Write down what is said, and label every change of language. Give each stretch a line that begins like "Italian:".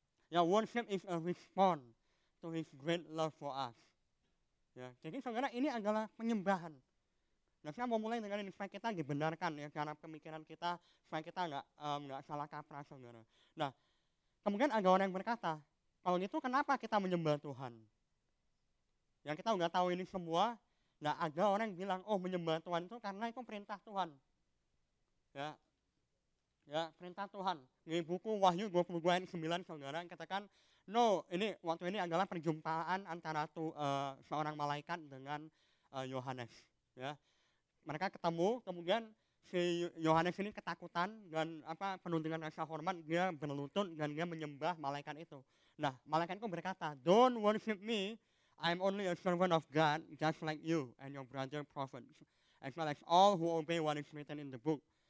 English: Ya, worship is a response to His great love for us.
Indonesian: Ya. Jadi, saudara, ini adalah penyembahan. Nah, saya mau mulai dengan ini supaya kita dibenarkan ya karena pemikiran kita supaya kita enggak salah kaprah, saudara. Nah, kemudian ada orang yang berkata, kalau gitu kenapa kita menyembah Tuhan? Yang kita enggak tahu ini semua. Nah, ada orang yang bilang, oh menyembah Tuhan itu karena itu perintah Tuhan. Ya, ya perintah Tuhan. Di buku Wahyu 22 ayat 9, saudara, yang katakan, no, ini waktu ini adalah perjumpaan antara seorang malaikat dengan Yohanes. Ya. Mereka ketemu, kemudian si Yohanes ini ketakutan dan penuh dengan rasa hormat, dia berlutut dan dia menyembah malaikat itu. Nah, malaikat itu berkata,
English: don't worship me, I'm only a servant of God, just like you and your brother prophets. as well as all who obey what is written in the book.